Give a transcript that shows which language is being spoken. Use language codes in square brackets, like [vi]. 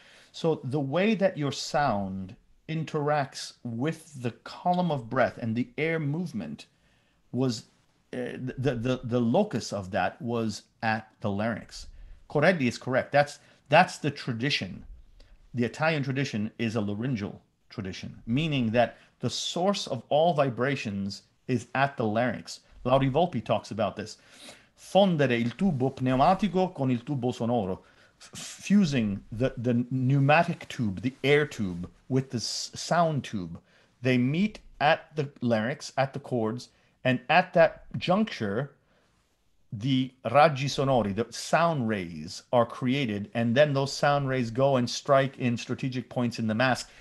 [en] So the way that your sound interacts with the column of breath and the air movement was the locus of that was at the larynx. Corelli is correct. That's the tradition. The Italian tradition is a laryngeal tradition, meaning that the source of all vibrations is at the larynx. Lauri Volpi talks about this. [it] Fondere il tubo pneumatico con il tubo sonoro. [en] Fusing the pneumatic tube, the air tube, with the sound tube. They meet at the larynx, at the cords, and at that juncture, the raggi sonori, the sound rays, are created, and then those sound rays go and strike in strategic points in the mask.